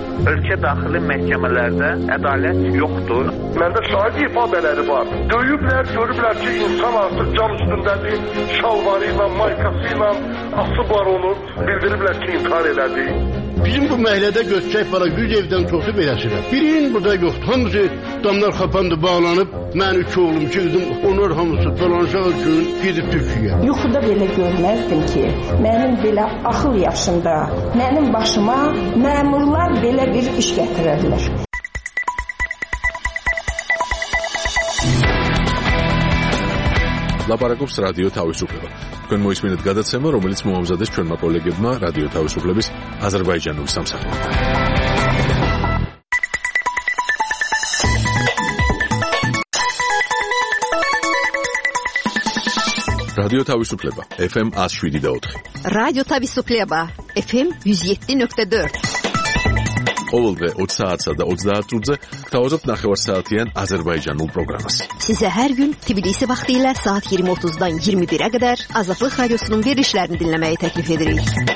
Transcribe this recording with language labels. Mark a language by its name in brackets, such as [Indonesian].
[Azerbaijani] Ölkə daxili məhkəmələrdə ədalət yoxdur. Məndə şahid ifadələri var. Döyüblər, görüblər ki, insan artıq can üstündədir. Şalvarı ilə, maykası ilə asıb var onu. Bildiriblər ki, intihar elədi. Bizim bu məhəllədə göçək bana 100 evdən çoxu beləsinə. Birin burada yoxdur. Hamısı damlar xapandı bağlanıb. Mən iki oğlum, iki qızım, onlar hamısı dolanacağı üçün gidib Türkiyə. Yuxuda belə görməzdim ki, mənim belə axıl yaşında, mənim başıma məmurlar belə bir iş gətirərlər. Laparakops Radio Tavisuklava. [Georgian] Ჩვენ მოისმინეთ გადაცემა, რომელიც მოამზადეს ჩვენმა კოლეგებმა რადიო თავისუფლების აზერბაიჯანული სამსახურიდან. რადიო თავისუფლება FM 107.4. რადიო თავისუფლება FM 107.4. ყოველდღე 20 საათსა და 30 წუთზე გთავაზობთ 9:00-იან აზერბაიჯანულ პროგრამას. [Azerbaijani] Size her gün Tbilisi vaktiyle saat 20:30'dan 21'e kadar Azatlık Radyosu'nun verilişlerini dinlemeye teklif ederiz.